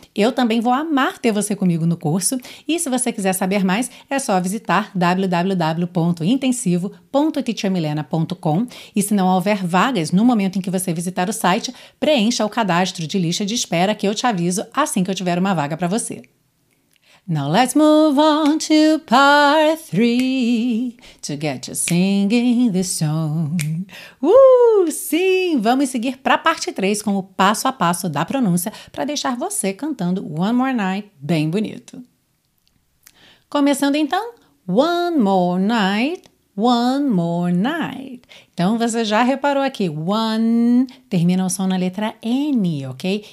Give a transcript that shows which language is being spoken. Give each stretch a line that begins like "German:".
Portuguese: Eu também vou amar ter você comigo no curso. E se você quiser saber mais, é só visitar www.intensivo.titiamilena.com. E se não houver vagas no momento em que você visitar o site, preencha o cadastro de lista de espera que eu te aviso assim que eu tiver uma vaga para você.
English: Now let's move on to part 3, to get you singing this song.
Portuguese: Sim, vamos seguir para a parte 3 com o passo a passo da pronúncia para deixar você cantando One More Night bem bonito. Começando então, One More Night, One More Night. Então você já reparou aqui, one termina o som na letra N, ok?